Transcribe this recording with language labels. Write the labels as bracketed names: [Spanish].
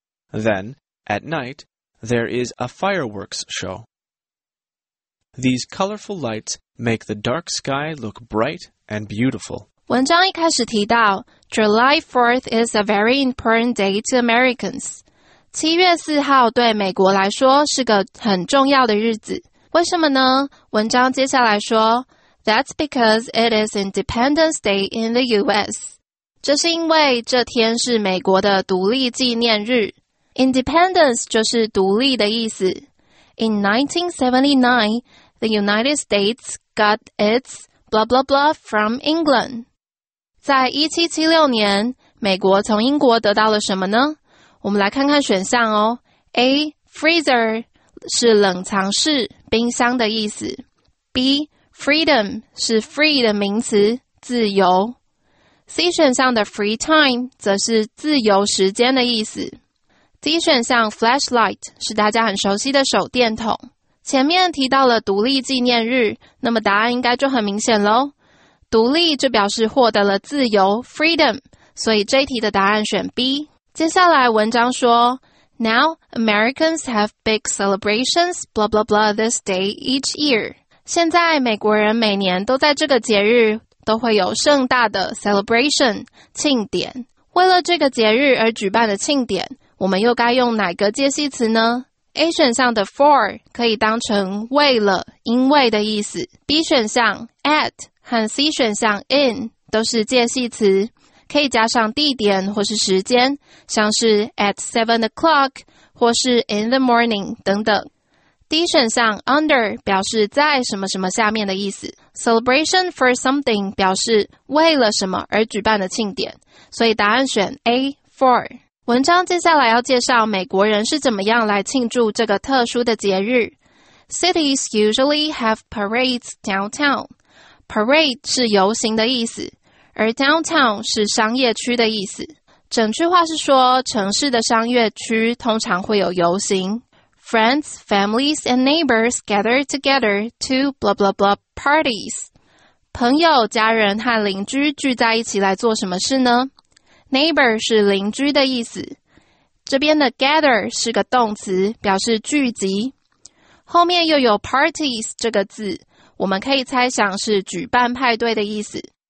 [English] Then, at night, there is a fireworks show. These colorful lights make the dark sky look bright and beautiful. [Chinese] 文章一开始提到 [English] July 4th is a very important day to Americans. [Chinese] 7月4号对美国来说是个很重要的日子。为什么呢？文章接下来说 [English] That's because it is Independence Day in the US. [Chinese] 这是因为这天是美国的独立纪念日。 Independence 就是独立的意思。 [English] In 1979, the United States got its blah blah blah from England. [Chinese] 在1776年，美国从英国得到了什么呢？我们来看看选项哦。A, freezer, 是冷藏室、冰箱的意思。 B, freedom, 是 free 的名词、自由。 C 选项的 free time, 则是自由时间的意思。 D 选项 flashlight, 是大家很熟悉的手电筒。前面提到了独立纪念日，那么答案应该就很明显咯。独立就表示获得了自由 freedom, 所以这一题的答案选 B。接下来文章说 [English] Now Americans have big celebrations blah blah blah this day each year. [Chinese] 现在美国人每年都在这个节日都会有盛大的 celebration, 庆典。为了这个节日而举办的庆典，我们又该用哪个介系词呢？ A 选项的 for 可以当成为了、因为的意思。 B 选项 at 和 C 选项 in 都是介系词，可以加上地点或是时间，像是 [English] at 7 o'clock [Chinese] 或是 [English] in the morning [Chinese] 等等。 D 选项 under 表示在什么什么下面的意思。 [English] Celebration for something [Chinese] 表示为了什么而举办的庆典，所以答案选 A, for。文章接下来要介绍美国人是怎么样来庆祝这个特殊的节日。 [English] Cities usually have parades downtown. [Chinese] Parade 是游行的意思，而 downtown 是商业区的意思。整句话是说，城市的商业区通常会有游行。 [English] Friends, families, and neighbors gather together to blah blah blah parties. [Chinese] 朋友、家人和邻居聚在一起来做什么事呢？ Neighbor 是邻居的意思。这边的 gather 是个动词，表示聚集。后面又有 parties 这个字，我们可以猜想是举办派对的意思。